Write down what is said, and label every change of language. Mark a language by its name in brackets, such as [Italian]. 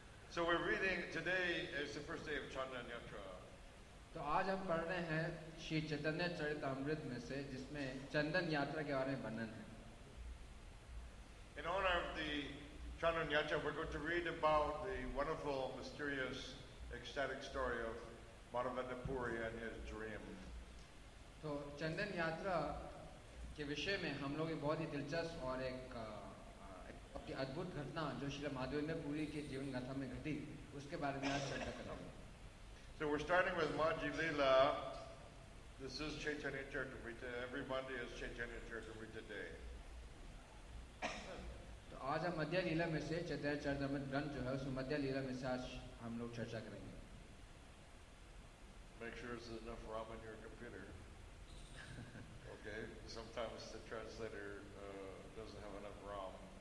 [English] So we're reading today is the first day of Chandan Yatra. [Hindi] तो आज हम पढ़ रहे हैं श्री चैतन्य चरितामृत में से जिसमें चंदन यात्रा के बारे में वर्णन है. [English] In honor of the Chandan Yatra, we're going to read about the wonderful, mysterious, ecstatic story of Madhavendra Puri and his dream. [Hindi] तो चंदन यात्रा के विषय में हम लोग एक बहुत ही दिलचस्प और एक अपनी अद्भुत घटना जो श्री माधवेंद्र पुरी के जीवन गाथा में घटी उसके बारे में आज चर्चा करेंगे. [English] So we're starting with Majjhima Lila. This is Chaitanya Charitamrita. Every Monday is Chaitanya Charitamrita Day. [Hindi] तो आज हम मध्य लीला में से चैतन्य चरितामृत ग्रंथ जो है उस मध्य लीला में से आज हम लोग चर्चा करेंगे. [English] Make sure there's enough RAM on your computer. Okay. Sometimes the translator doesn't have enough RAM.